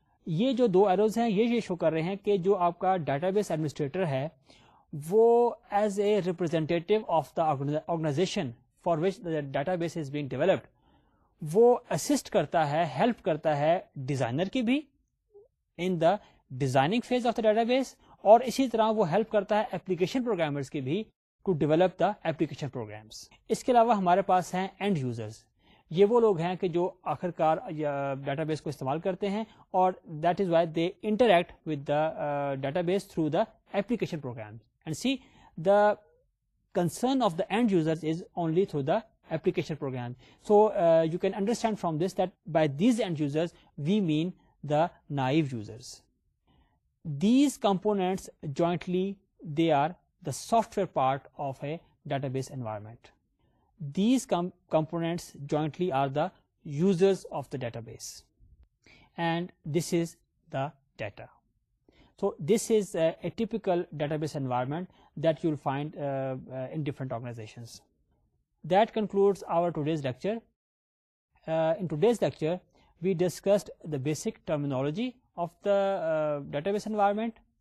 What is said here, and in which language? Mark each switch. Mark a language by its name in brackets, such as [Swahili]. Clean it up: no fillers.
[Urdu] یہ جو دو ایروز ہیں یہ شو کر رہے ہیں کہ جو آپ کا ڈیٹا بیس ایڈمنسٹریٹر ہے وہ [English] as a representative of the organization for which the database is being developed [Urdu] وہ اسسٹ کرتا ہے, ہیلپ کرتا ہے ڈیزائنر کی بھی [English] in the designing phase of the database, [Urdu] اور اسی طرح وہ ہیلپ کرتا ہے اپلیکیشن پروگرامرز کی بھی [English] To develop the application programs. [Urdu] اس کے علاوہ ہمارے پاس ہیں اینڈ یوزرز, یہ وہ لوگ ہیں کہ جو آخر کار ڈیٹا بیس کو استعمال کرتے ہیں اور [English] That is why they interact with the data base through the application program. And C the concern of the and user is only through the application program. So you can understand from this that by these and user we main the naive users. These components jointly they are the soft where part of a data base environment. These components jointly are the users of the database and this is the data. So this is a typical database environment that you'll find in different organizations. That concludes our today's lecture. In today's lecture we discussed the basic terminology of the database environment.